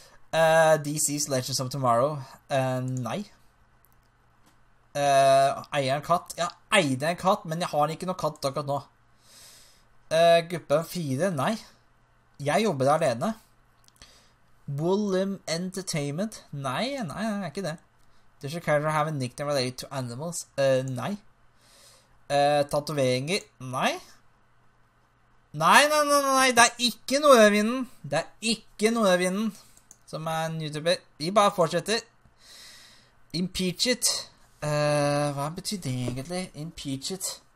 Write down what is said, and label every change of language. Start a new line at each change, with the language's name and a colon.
Norwegian: DC's Legends of Tomorrow? Nei. Eier en katt? Ja, eier en katt, men jeg har ikke noen katt akkurat nå. Gruppe 4? Nei. Jeg jobber alene. Bullim Entertainment? Nei, jeg er ikke det.
English: Does your character have a nickname related to animals?
Norwegian: Nei. Tatoveringer? Nei. Nei, nei, nei, nei, det ikke noe av vinden. Det ikke noe av vinden. Som en YouTuber. Vi bare fortsetter. Impeach it. Hva betyr det egentlig? Impeach it.